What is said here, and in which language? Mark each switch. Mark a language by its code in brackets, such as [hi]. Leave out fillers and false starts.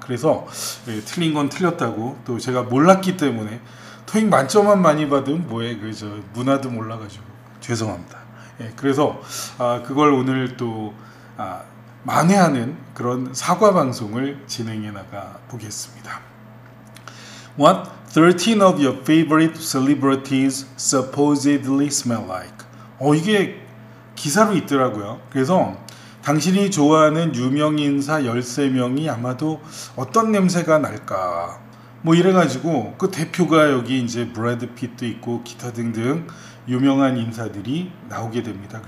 [ko] 그래서 틀린 건 틀렸다고 또 제가 몰랐기 때문에 토익 만점만 많이 받은 문화도 몰라가지고 죄송합니다. 그래서 그걸 오늘 또 만회하는 그런 사과 방송을 진행해 나가 보겠습니다. [en] What 13 of your favorite celebrities supposedly smell like? [ko] 이게 기사로 있더라고요. 그래서 당신이 좋아하는 유명인사 13명이 아마도 어떤 냄새가 날까? 이래가지고 그 대표가 여기 이제 브래드 핏도 있고 기타 등등 유명한 인사들이 나오게 됩니다.